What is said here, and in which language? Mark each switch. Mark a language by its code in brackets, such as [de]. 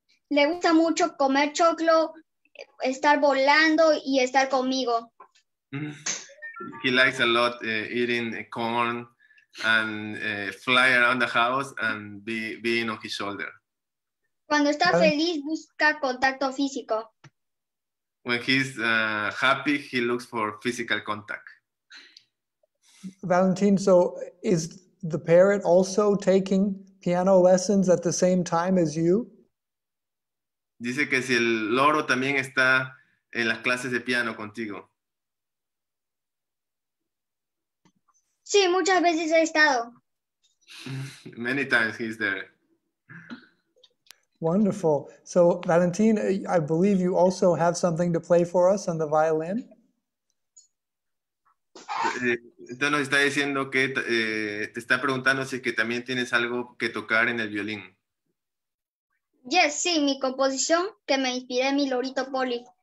[es] Le gusta mucho comer choclo, estar volando y estar conmigo. [en] He likes a lot eating corn and fly around the house and being on his shoulder. [es] Cuando está feliz, busca contacto físico. [en] When he's happy, he looks for physical contact. Valentin, so is the parrot also taking piano lessons at the same time as you? [es] Dice que si el loro también está en las clases de piano contigo. Sí, muchas veces he estado. [en] Many times he's there. Wonderful. So, Valentin, I believe you also have something to play for us on the violin. [es] Entonces nos está diciendo que te está preguntando si es que también tienes algo que tocar en el violín. Yes, sí, mi composición que me inspiré en mi lorito Polly.